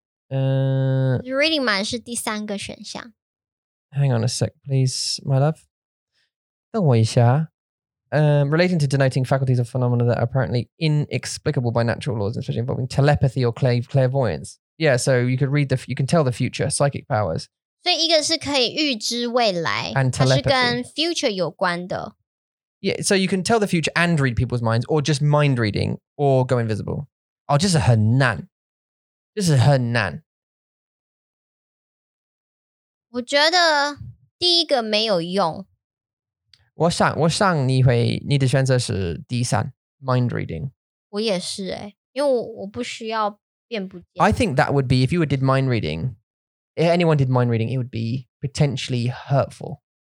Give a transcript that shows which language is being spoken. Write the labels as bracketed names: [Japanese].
[Chinese] Reading minds 是第三个选项。 [English] Hang on a sec, please, my love. [Chinese] 等我一下。 [English] Relating to denoting faculties of phenomena that are apparently inexplicable by natural laws, especially involving telepathy or clairvoyance. Yeah, so you could read the, you can tell the future, psychic powers. [Chinese] 所以一个是可以预知未来。 [English] And telepathy. [Chinese] 它是跟 future 有关的。 [English] Yeah, so you can tell the future and read people's minds, or just mind reading, or go invisible. Oh, this is [Chinese] 很难. [English] This is 很难. [Chinese] 我觉得第一个没有用。我想你会你的选择是第三 mind reading. 我也是诶，因为我不需要变不见。 [English] I think that would be, if you did mind reading, if anyone did mind reading, it would be potentially hurtful.